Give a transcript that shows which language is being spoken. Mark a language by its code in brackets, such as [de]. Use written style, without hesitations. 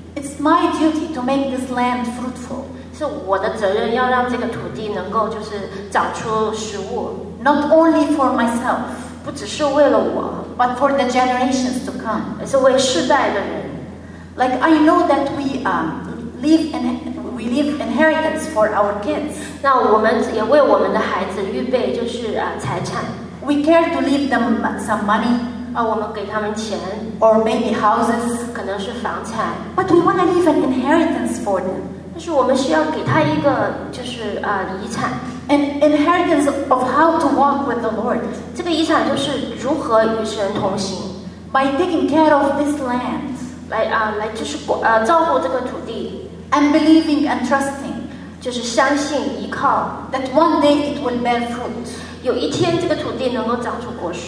[en] It's my duty to make this land fruitful. [zh] 是我的责任要让这个土地能够就是长出食物。 [en] Not only for myself. [zh] 不只是为了我。 [en] But for the generations to come. [zh] 是为世代的人。 [en] Like I know that we leave inheritance for our kids. [zh] 那我们也为我们的孩子预备就是财产。 [en] We care to leave them some money. [zh] 我们给他们钱 [en] or maybe houses, [zh] 可能是房产 [en] but we want to leave an inheritance for them. [zh] 但是我们需要给他一个就是遗产 [en] an inheritance of how to walk with the Lord. [zh] 这个遗产就是如何与神同行 [en] by taking care of this land, [zh] 来就是照顾这个土地 [en] and believing and trusting, [zh] 就是相信依靠 [en] that one day it will bear fruit. [zh] 有一天这个土地能够长出果实